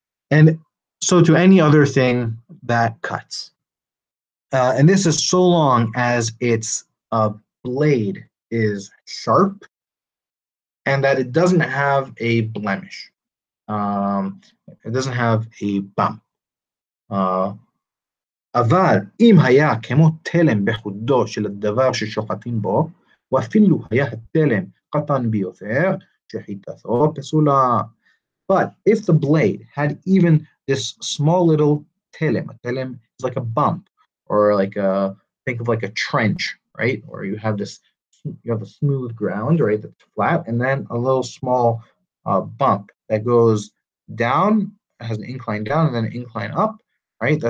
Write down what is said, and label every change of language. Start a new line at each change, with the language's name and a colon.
English: And so to any other thing that cuts, and this is so long as its blade is sharp and that it doesn't have a blemish. It doesn't have a bump.
Hebrew: אבל אם היה כמו תלם בחודו של הדבר ששוחטים בו, ואפילו היה התלם קטן ביותר, שחיטתו פסולה.
English: But if the blade had even this small little telem, a telem is like a bump, or like a, think of like a trench, right? Or you have a smooth ground, right, that's flat, and then a little small bump that goes down, has an incline down, and then an incline up, right?